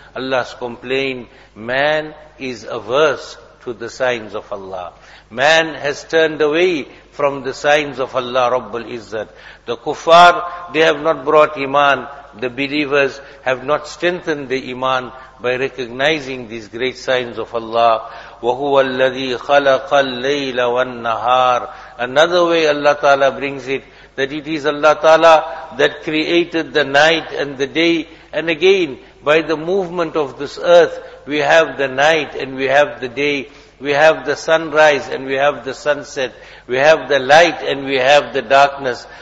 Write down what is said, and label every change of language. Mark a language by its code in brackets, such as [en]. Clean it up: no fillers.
[en] Allah's complaint, man is averse to the signs of Allah. Man has turned away from the signs of Allah Rabbul Izzat. The kuffar, they have not brought iman. The believers have not strengthened the iman by recognizing these great signs of Allah. [ar] وهو الذي خلق الليل والنهار. [en] Another way Allah Ta'ala brings it, that it is Allah Ta'ala that created the night and the day. And again, by the movement of this earth, we have the night and we have the day. We have the sunrise and we have the sunset. We have the light and we have the darkness.